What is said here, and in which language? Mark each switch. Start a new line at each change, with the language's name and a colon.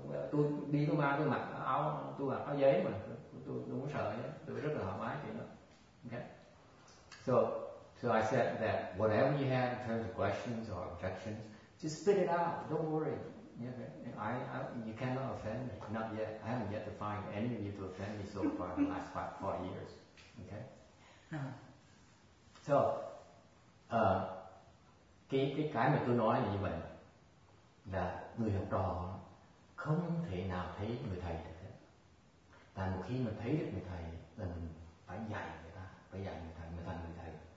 Vietnamese: Tôi đi tôi mang tôi mặc áo, tôi mặc áo giấy mà, tôi không sợ nhé, tôi rất là thoải mái chuyện đó.
English: Okay. So I said that whatever you have in terms of questions or objections, just spit it out. Don't worry. Okay. You cannot offend me. Not yet. I haven't yet to find any of you to offend me so far in the last 5 years. Okay.
Vietnamese: So, cái mà tôi nói là như vậy là người học trò không thể nào thấy người thầy được hết. Tại một khi mình thấy được người thầy là mình phải dạy người ta, phải dạy người thầy, mình thành người thầy.